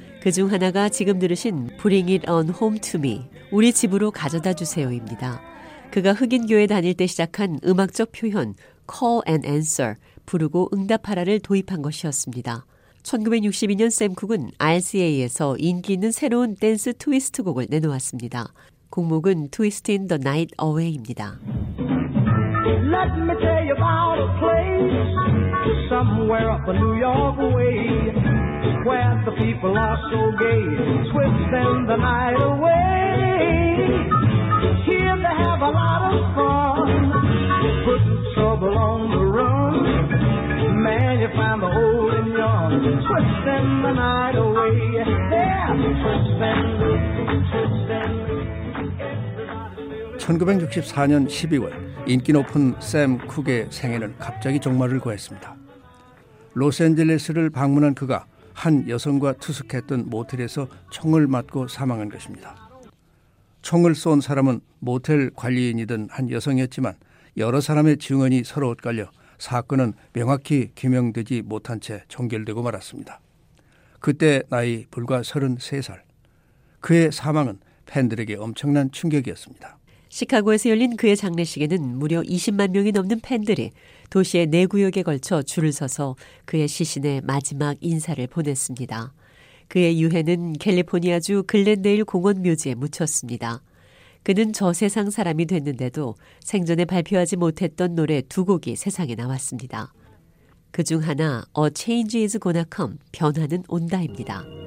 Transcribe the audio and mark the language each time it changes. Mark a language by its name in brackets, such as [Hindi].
[Korean] 그중 하나가 지금 들으신 Bring It On Home To Me, 우리 집으로 가져다 주세요입니다. 그가 흑인교회 다닐 때 시작한 음악적 표현 Call and Answer, 부르고 응답하라를 도입한 것이었습니다. 1962년 샘 쿡은 RCA에서 인기 있는 새로운 댄스 트위스트 곡을 내놓았습니다. 곡목은 Twist in the Night Away입니다. [English] Let me tell you about a place somewhere up in New York way where the people are so gay, twisting the night away. Here they have a lot of fun, putting trouble on the run. Man, you find the hole in yarn, twisting the night away. Yeah, twisting the night away. [Korean] 1964년 12월, 인기 높은 샘 쿡의 생애는 갑자기 종말을 구했습니다. 로스앤젤레스를 방문한 그가 한 여성과 투숙했던 모텔에서 총을 맞고 사망한 것입니다. 총을 쏜 사람은 모텔 관리인이던 한 여성이었지만 여러 사람의 증언이 서로 엇갈려 사건은 명확히 규명되지 못한 채 종결되고 말았습니다. 그때 나이 불과 33살, 그의 사망은 팬들에게 엄청난 충격이었습니다. 시카고에서 열린 그의 장례식에는 무려 20만 명이 넘는 팬들이 도시의 네 구역에 걸쳐 줄을 서서 그의 시신의 마지막 인사를 보냈습니다. 그의 유해는 캘리포니아주 글렌데일 공원 묘지에 묻혔습니다. 그는 저세상 사람이 됐는데도 생전에 발표하지 못했던 노래 두 곡이 세상에 나왔습니다. 그중 하나, A Change Is Gonna Come, 변화는 온다입니다.